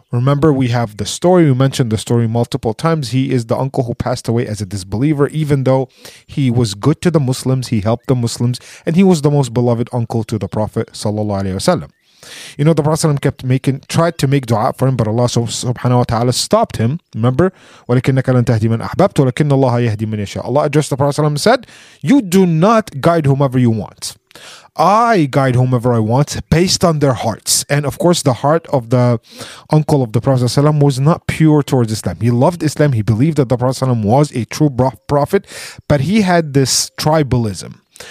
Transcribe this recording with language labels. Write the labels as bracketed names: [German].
[English] Remember, we have the story. We mentioned the story multiple times. He is the uncle who passed away as a disbeliever, even though he was good to the Muslims. He helped the Muslims, and he was the most beloved uncle to the Prophet sallallahu alaihi wasallam. You know, the Prophet ﷺ tried to make dua for him, but Allah subhanahu wa ta'ala stopped him. Remember, [Arabic] وَلَكِنَّكَ لَن تَهْدِي مَنْ أَحْبَبْتُ وَلَكِنَّ اللَّهَ يَهْدِي مَنْ يَشَاءُ. [English] Allah addressed the Prophet ﷺ and said, you do not guide whomever you want. I guide whomever I want based on their hearts. And of course, the heart of the uncle of the Prophet ﷺ was not pure towards Islam. He loved Islam. He believed that the Prophet ﷺ was a true prophet, but he had this tribalism.